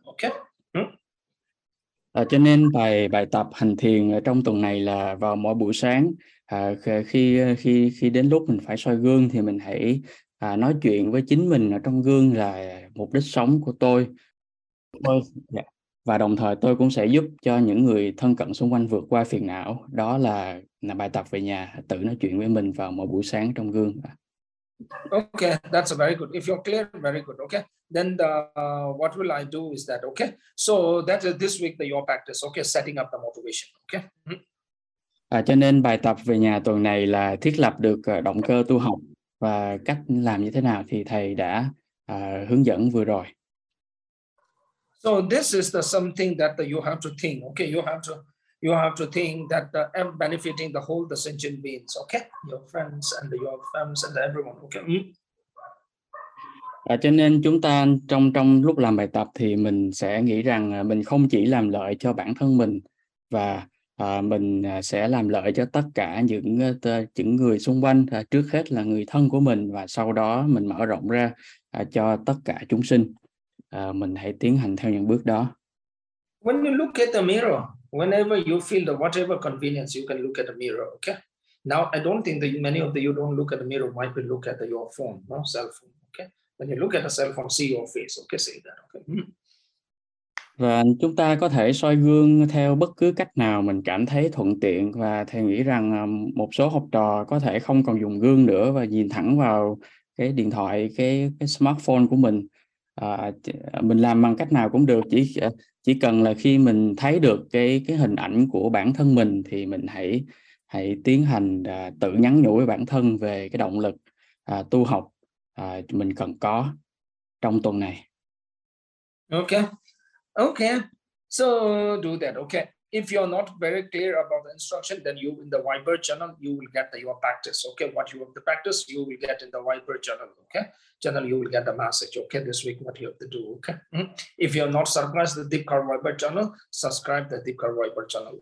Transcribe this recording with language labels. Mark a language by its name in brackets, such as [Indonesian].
[English] Okay. [Vietnamese] Cho nên bài tập hành thiền ở trong tuần này là vào mỗi buổi sáng khi đến lúc mình phải soi gương thì mình hãy nói chuyện với chính mình ở trong gương là mục đích sống của tôi. Yeah. Và đồng thời tôi cũng sẽ giúp cho những người thân cận xung quanh vượt qua phiền não. Đó là bài tập về nhà, tự nói chuyện với mình vào mỗi buổi sáng trong gương. [English] Okay, that's very good. If you're clear, very good. Okay, then the, what will I do is that, okay? So that is this week the your practice, okay? Setting up the motivation, okay? [Vietnamese] Cho nên bài tập về nhà tuần này là thiết lập được động cơ tu học và cách làm như thế nào thì thầy đã hướng dẫn vừa rồi. [English] So this is the something that you have to think, okay? You have to think that I'm benefiting the whole the sentient beings, okay? Your friends and everyone, okay? [Vietnamese] Cho nên chúng ta trong lúc làm bài tập thì mình sẽ nghĩ rằng mình không chỉ làm lợi cho bản thân mình và mình sẽ làm lợi cho tất cả những người xung quanh, trước hết là người thân của mình và sau đó mình mở rộng ra cho tất cả chúng sinh. Mình hãy tiến hành theo những bước đó. [English] When you look at the mirror, whenever you feel the whatever convenience, you can look at the mirror, okay? Now, I don't think that many of the, you don't look at the mirror, might be look at the, your phone, no? Cell phone, okay? When you look at the cell phone, see your face, okay? Say that, okay? [Vietnamese] Và chúng ta có thể soi gương theo bất cứ cách nào mình cảm thấy thuận tiện và thầy nghĩ rằng một số học trò có thể không còn dùng gương nữa và nhìn thẳng vào cái điện thoại, cái smartphone của mình. Mình làm bằng cách nào cũng được, chỉ cần là khi mình thấy được cái hình ảnh của bản thân mình thì mình hãy tiến hành tự nhắn nhủ với bản thân về cái động lực tu học mình cần có trong tuần này. [English] Okay, so do that. Okay, if you're not very clear about the instruction, then you in the Viber channel you will get the, your practice. Okay, what you have to practice, you will get in the Viber channel. Okay, channel you will get the message. Okay, this week what you have to do. Okay, if you're not subscribed to the Deepkar Viber channel, subscribe the Deepkar Viber channel.